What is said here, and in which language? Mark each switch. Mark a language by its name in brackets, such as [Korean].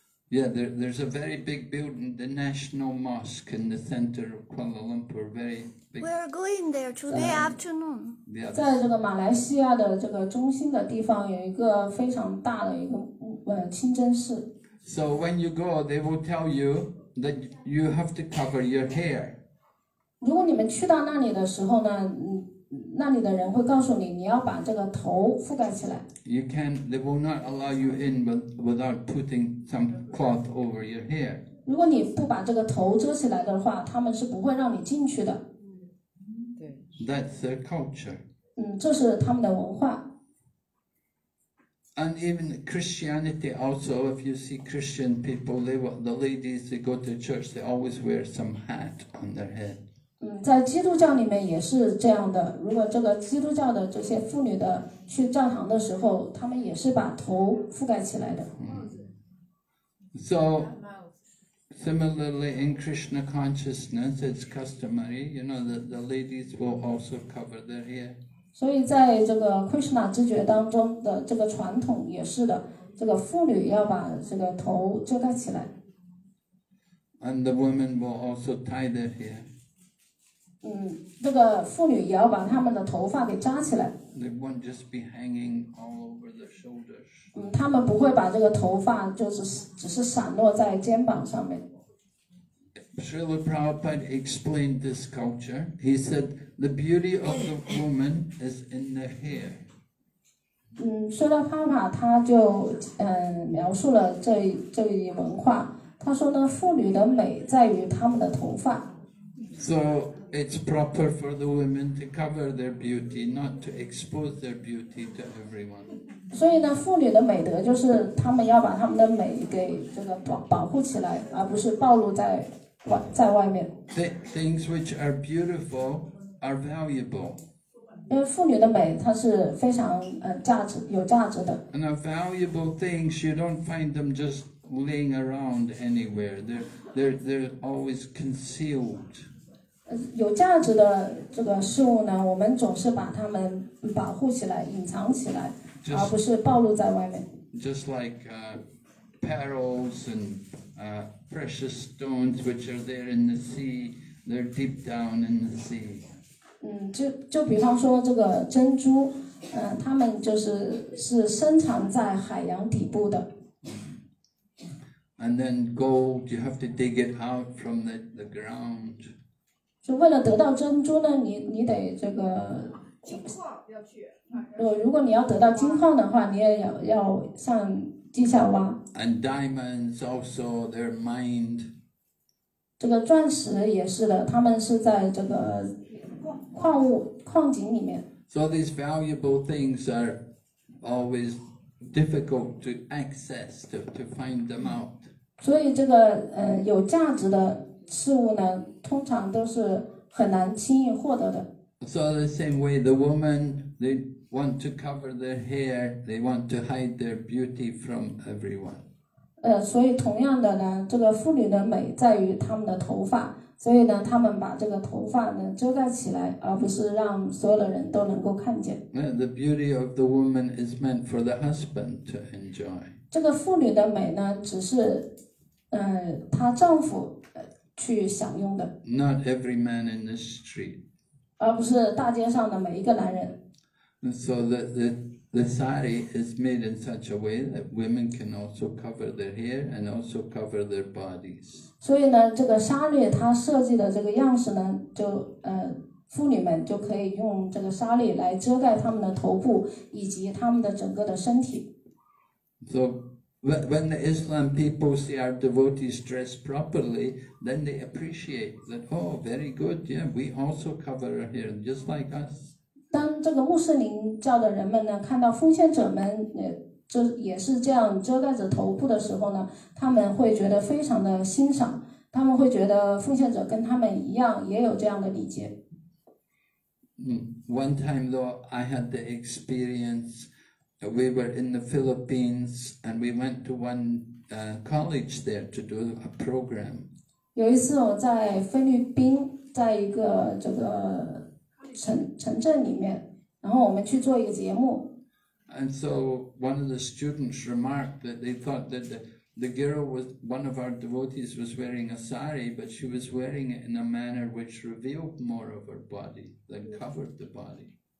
[English] Yeah, there's a very big building, the National Mosque in the center of Kuala Lumpur, very big. We're going there today afternoon. Yeah. [Chinese] 在这个马来西亚的这个中心的地方有一个非常大的一个清真寺。 [English] So when you go, they will tell you that you have to cover your hair. [Chinese] 如果你们去到那里的时候呢，那里的人会告诉你，你要把这个头覆盖起来。 [English] You can. They will not allow you in without putting some cloth over your hair. [Chinese] 如果你不把这个头遮起来的话，他们是不会让你进去的。对。 [English] That's their culture. [Chinese] 这是他们的文化。 [English] And even Christianity also, if you see Christian people, the ladies they go to church, they always wear some hat on their head. [Chinese] 在基督教里面也是这样的，如果这个基督教的这些妇女的去教堂的时候，他们也是把头覆盖起来的。 [English] So, similarly in Krishna consciousness, it's customary, you know, that the ladies will also cover their hair. [Chinese] 所以在这个 Krishna 知觉当中的这个传统也是的，这个妇女要把这个头遮盖起来。 [English] And the women will also tie their hair. [Chinese] 这个妇女也要把她们的头发给扎起来。 [English] They won't just be hanging all over their shoulders. [Chinese] 她们不会把这个头发就是只是散落在肩膀上面。 [English] Srila Prabhupada explained this culture. He said, the beauty of the woman is in the hair. [Chinese] 说到方法他就描述了这一文化。他说呢，妇女的美在于她们的头发。 [English] So it's proper for the women to cover their beauty, not to expose their beauty to everyone. [Chinese] 所以呢，妇女的美德就是她们要把她们的美给这个 保护起来，而不是暴露在外面。 [English] Things which are beautiful are valuable. [Chinese] 因为妇女的美它是非常有价值的。 [English] And valuable things, you don't find them just laying around anywhere. They're always concealed. [Chinese] 有价值的这个事物呢，我们总是把它们保护起来，隐藏起来， [English] just, [Chinese] 而不是暴露在外面。 [English] Just like pearls and precious stones which are there in the sea, they're deep down in the sea. [Chinese] 就比方说这个珍珠，它们就是深藏在海洋底部的。 [English] And then gold, you have to dig it out from the ground. [Chinese] 就为了得到珍珠呢，你得这个金矿要去。如果你要得到金矿的话，你也要上地下挖。 [English] And diamonds also, they're mined. [Chinese] 这个钻石也是的，他们是在这个矿井里面。 [English] So these valuable things are always difficult to access to find them out. [Chinese] 所以这个有价值的事物呢，通常都是很难轻易获得的。 [English] So the same way, the woman, they want to cover their hair, they want to hide their beauty from everyone. [Chinese] 所以同样的呢，这个妇女的美在于她们的头发，所以呢，她们把这个头发呢遮盖起来，而不是让所有的人都能够看见。 [English] The beauty of the woman is meant for the husband to enjoy. [Chinese] 这个妇女的美呢，只是，她丈夫去享用的。 [English] Not every man in the street. [Chinese] 而不是大街上的每一个男人。 [English] And so the sari is made in such a way that women can also cover their hair and also cover their bodies. [Chinese] 所以呢，这个纱丽它设计的这个样式呢，就妇女们就可以用这个纱丽来遮盖她们的头部以及她们的整个的身体。 [English] So when the Islam people see our devotees dressed properly, then they appreciate that, oh, very good, yeah, we also cover our hair just like us. [Chinese] 当这个穆斯林教的人们呢，看到奉献者们也是这样遮盖着头部的时候呢，他们会觉得非常的欣赏，他们会觉得奉献者跟他们一样也有这样的礼节。 [English] One time though, I had the experience,we were in the Philippines and we went to one college there to do a program. [Chinese] 有一次我在菲律宾在一个这个 城镇里面，然后我们去做一个节目。 [English] And so one of the students remarked that they thought that the girl was, one of our devotees was wearing a sari, but she was wearing it in a manner which revealed more of her body than covered the body.